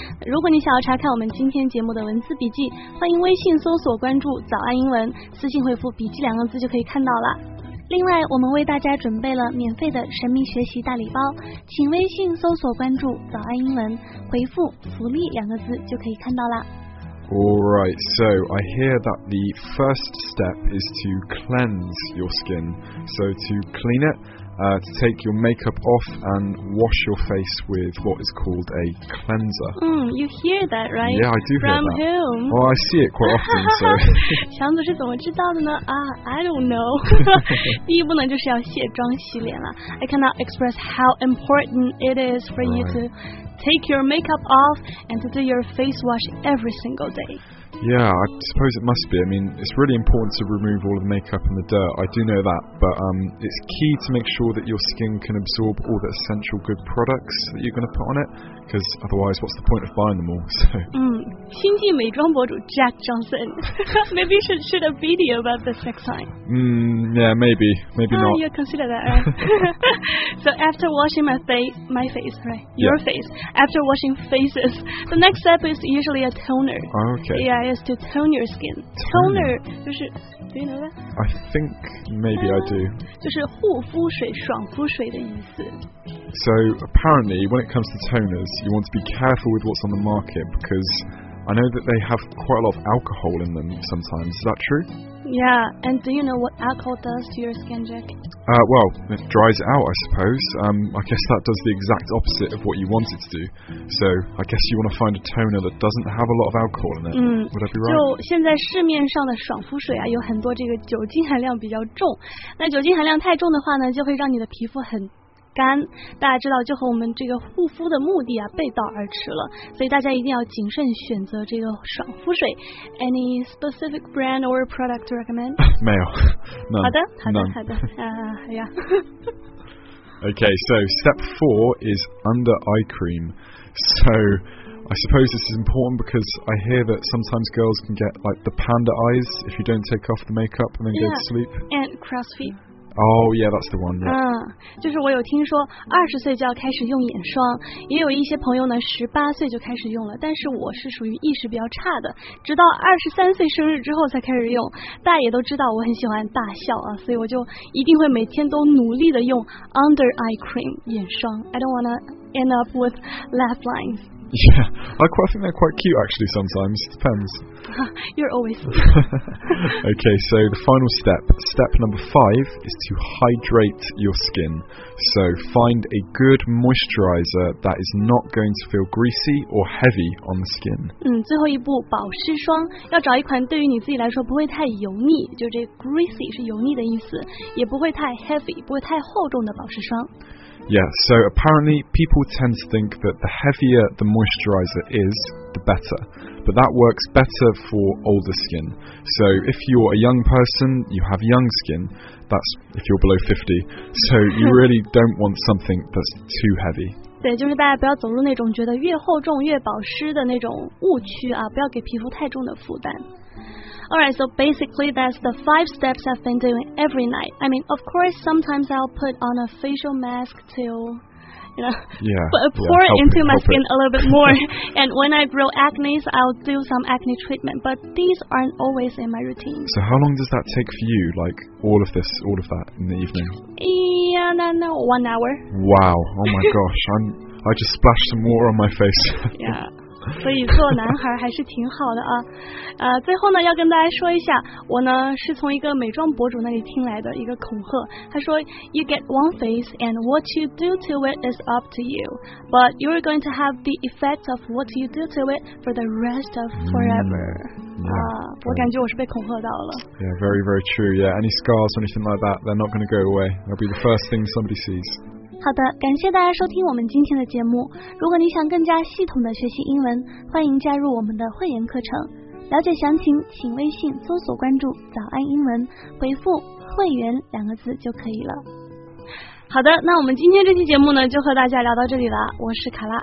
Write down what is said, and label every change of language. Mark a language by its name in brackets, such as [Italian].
[Chinese] 如果你想要查看我们今天节目的文字笔记，欢迎微信搜索关注早安英文，私信回复笔记两个字就可以看到了。另外我们为大家准备了免费的神秘学习大礼包，请微信搜索关注早安英文，回复福利两个字就可以看到啦。 [English] Alright, so I hear that the first step is to cleanse your skin. So to clean it, to take your makeup off and wash your face with what is called a cleanser. You hear that, right? Yeah, I do hear from that. From whom? Well, I see it quite often, so... [Chinese] 强子是怎么知道的呢？ [English] I don't know. [Chinese] 第一步呢就是要卸妆洗脸了。 [English] I cannot express how important it is for you to... take your makeup off and to do your face wash every single day. Yeah, I suppose it must be. I mean, it's really important to remove all the makeup and the dirt. I do know that. But it's key to make sure that your skin can absorb all the essential good products that you're going to put on it. Because otherwise, what's the point of buying them all? So. [Chinese] 新晋美妆博主 Jack Johnson. [English] Maybe you should shoot a video about this next time. Yeah, maybe. Maybe not. You'll consider that, right? So after washing my face, right? Your face. After washing faces, the next step is usually a toner. Okay. Yeah, it's to tone your skin. Toner, [Chinese] 就是 [English] do you know that? I think maybe I do. [Chinese] 就是护肤水、爽肤水的意思。 [English] So apparently, when it comes to toners, you want to be careful with what's on the market because I know that they have quite a lot of alcohol in them sometimes. Is that true? Yeah, and do you know what alcohol does to your skin, Jack? Well, it dries it out, I suppose. I guess that does the exact opposite of what you want it to do. So, I guess you want to find a toner that doesn't have a lot of alcohol in it. Would I be right? [Chinese] 就现在市面上的爽肤水啊，有很多这个酒精含量比较重。那酒精含量太重的话呢，就会让你的皮肤很干，大家知道就和我们这个护肤的目的啊背道而驰了，所以大家一定要谨慎选择这个爽肤水。 [English] Any specific brand or product to recommend? [Chinese] 没有。 [English] No, [Chinese] 好的，好的， [English] no. [Chinese] 好的。 [English] Yeah. Okay, so step four is under eye cream. So. I suppose this is important because I hear that sometimes girls can get like the panda eyes if you don't take off the makeup and then go to sleep. And crow's feet. Oh yeah, that's the one. [Chinese] 就是我有听说二十岁就要开始用眼霜，也有一些朋友呢十八岁就开始用了。但是我是属于意识比较差的，直到23岁生日之后才开始用。大家也都知道我很喜欢大笑啊，所以我就一定会每天都努力的用 under eye cream 眼霜。 [English] I don't wanna end up with laugh lines. Yeah, I think they're quite cute actually sometimes. It depends. You're always. Okay, so the final step, step number five, is to hydrate your skin. So find a good moisturizer that is not going to feel greasy or heavy on the skin. [Chinese] 最后一步，保湿霜，要找一款对于你自己来说不会太油腻，就这 greasy 是油腻的意思，也不会太 heavy, 不会太厚重的保湿霜。 [English] Yeah, so apparently people tend to think that the heavier the moisturizer is, the better. but that works better for older skin. So if you're a young person, you have young skin, that's if you're below 50, so you really don't want something that's too heavy. [Chinese] 对，就是大家不要走入那种觉得越厚重越保湿的那种误区啊，不要给皮肤太重的负担。 [English] Alright, so basically that's the 5 steps I've been doing every night. I mean, of course, sometimes I'll put on a facial mask to, you know, yeah, pour yeah, into it, my skin、it. A little bit more. And when I grow acne, I'll do some acne treatment, but these aren't always in my routine. So how long does that take for you, like all of this, all of that in the evening? Yeah, no, 1 hour. Wow, oh my gosh, I just splashed some water on my face. Yeah. [Chinese] 所以做男孩还是挺好的啊，最后呢要跟大家说一下，我呢是从一个美妆博主那里听来的一个恐吓，他说 [English] You get one face and what you do to it is up to you, but you're going to have the effect of what you do to it for the rest of forever. Yeah, [Chinese] 我感觉我是被恐吓到了。 [English] Yeah, very very true. Yeah, any scars, anything like that, they're not going to go away. They'll be the first thing somebody sees. [Chinese] 好的，感谢大家收听我们今天的节目。如果你想更加系统的学习英文，欢迎加入我们的会员课程。了解详情，请微信搜索关注“早安英文”，回复“会员”两个字就可以了。好的，那我们今天这期节目呢，就和大家聊到这里了。我是卡拉，